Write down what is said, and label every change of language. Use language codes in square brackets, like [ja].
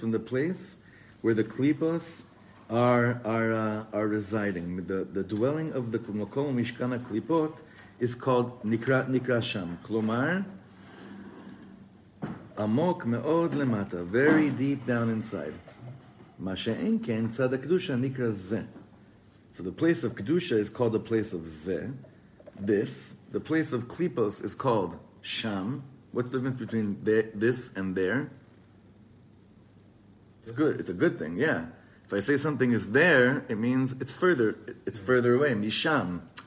[en] From the place where the klipos are residing. The dwelling of the [he] makom umishkan haklipot [en] is called nikra sham. [he] Klomar, עמוק מאוד למטה, [en] very deep down inside. [he] מה שאין כן, צד הקדושה נקרא זה. [en] So the place of Kedusha is called the place of זה. This, the place of Klipos is called Sham. What's the difference between this and there? It's good, it's a good thing, yeah. If I say something is there, it means it's further away, Misham.